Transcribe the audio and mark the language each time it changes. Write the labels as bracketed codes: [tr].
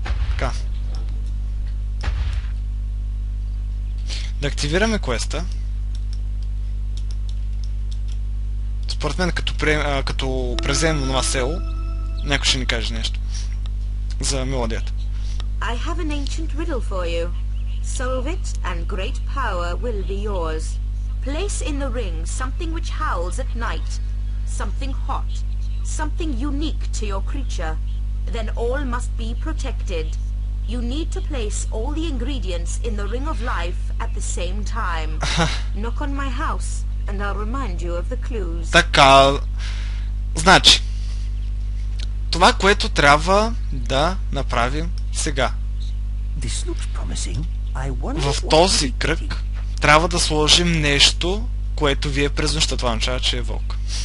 [bg] Така. Да активираме квеста. Според мен, като превземем на това село, някой ще ни каже нещо. За мелодията. [en] I have an ancient riddle for you. Solve it and great power will be yours. Place in the ring something which howls at night. Something hot. Something unique to your creature. Then all must be protected. You need to place all the ingredients in the ring of life at the same time. Knock on my house and I'll remind you of the clues. [bg] Така, значи, това, което трябва да направим сега. [en] This looks promising. I wonder what... [bg] В този кръг трябва да сложим нещо, което вие през нощта. Това означава, че е вълк.